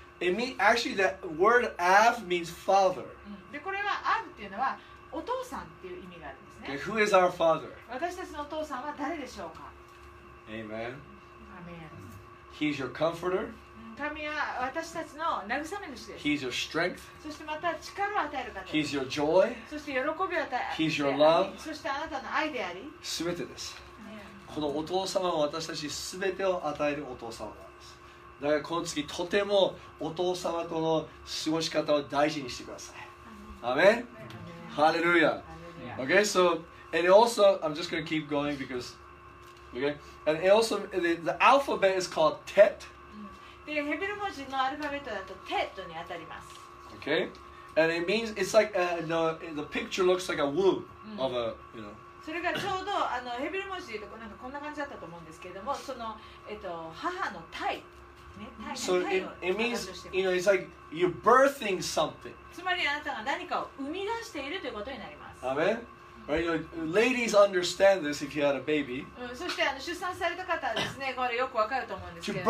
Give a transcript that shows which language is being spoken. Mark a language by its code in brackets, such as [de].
[en] It means, actually, the word Av means father. Okay, who is our father? [ja] 私たちのお父さんは誰でしょうか? [en] Amen. Amen. He's your comforter. [ja] 神は私たちの慰め主です。 [en] He's your strength. [ja] そしてまた力を与える方です。 [en] He's your joy. [ja] そして喜びを与える。 [en] He's your love. [ja] そしてあなたの愛であり。すべてです。このお父様は私たちすべてを与えるお父様。だからこの月とてもお父様との過ごし方を大事にしてください。アメン。ハレルヤ。 [en] Okay, so and also I'm just going to keep going because okay and it also the alphabet is called Tet. [ja] でヘブル文字のアルファベットだと Tet に当たります。 [en] Okay, and it means it's like the picture looks like a womb of a you know. [ja] それがちょうどあのヘブル文字とかなんかこんな感じだったと思うんですけれどもその母の胎。 [en] So it means, you know, it's like you're birthing something. [ja] つまりあなたが何かを生み出しているということになります。 [en] Amen. Right, you know, ladies understand this if you had a baby. [ja] そしてあの出産された方はですね、これよくわかると思うんですけど。